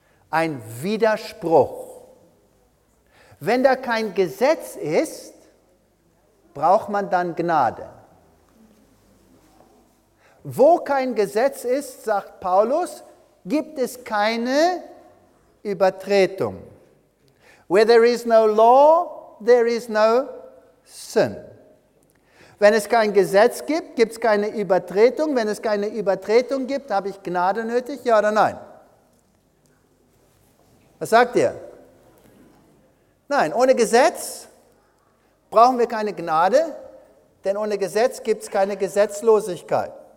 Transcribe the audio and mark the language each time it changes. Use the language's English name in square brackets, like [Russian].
[German] Ein Widerspruch. Wenn da kein Gesetz ist, braucht man dann Gnade. Wo kein Gesetz ist, sagt Paulus, gibt es keine Übertretung. [English] Where there is no law, there is no sin. [German] Wenn es kein Gesetz gibt, gibt es keine Übertretung. Wenn es keine Übertretung gibt, habe ich Gnade nötig, ja oder nein? Was sagt ihr? Nein, ohne Gesetz brauchen wir keine Gnade, denn ohne Gesetz gibt es keine Gesetzlosigkeit.